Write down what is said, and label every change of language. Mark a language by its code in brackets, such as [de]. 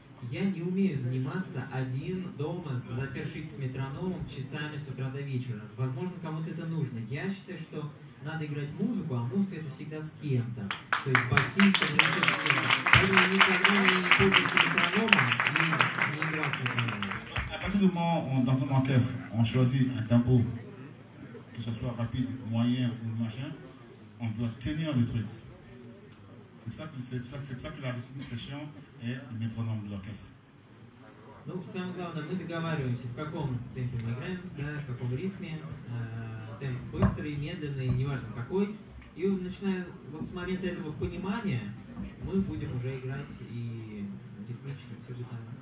[ru] Я не умею заниматься один дома, запершись с метрономом часами с утра до вечера. Возможно, кому-то это нужно. Я считаю, что надо играть музыку, а музыка это всегда с кем-то. То есть басист, это с кем-то. Я никогда не пользуюсь метрономом, не играл с метрономом. [fr] À partir du moment où dans un orchestre, on choisit un tempo, que ce soit rapide, moyen ou machin, on doit tenir le truc. C'est pour ça que la rythmique très chiant est le métronome de l'orchestre. [ru] Ну, самое главное, мы договариваемся, в каком темпе мы играем, да, в каком ритме, темп быстрый, медленный, неважно какой. И начиная вот с момента этого понимания, мы будем уже играть и ритмично, все же там.